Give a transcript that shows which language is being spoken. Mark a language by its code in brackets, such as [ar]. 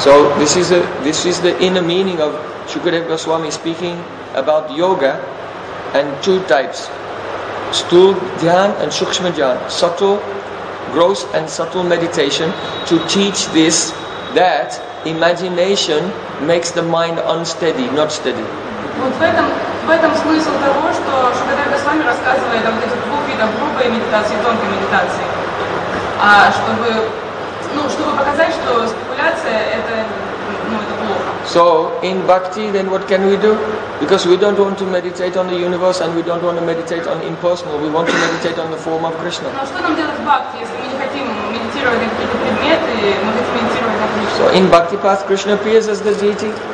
[en] So this is the inner meaning of Shukadeva Goswami speaking about yoga and two types, stool dhyan and shukshma dhyan, subtle, gross and subtle meditation, to teach this that imagination makes the mind unsteady, not steady. [ru] В этом смысл того, что Шукадева Госвами рассказывает о вот этих двух видах грубой медитации и тонкой медитации. Чтобы показать, что спекуляция это плохо. [en] So, in bhakti, then what can we do? Because we don't want to meditate on the universe and we don't want to meditate on impersonal, we want to meditate on the form of Krishna. [ru] Но что нам делать в бхакти, если мы не хотим медитировать на какие-то предметы, мы хотим медитировать на Кришну? [en] So, in bhakti path, Krishna appears as the deity.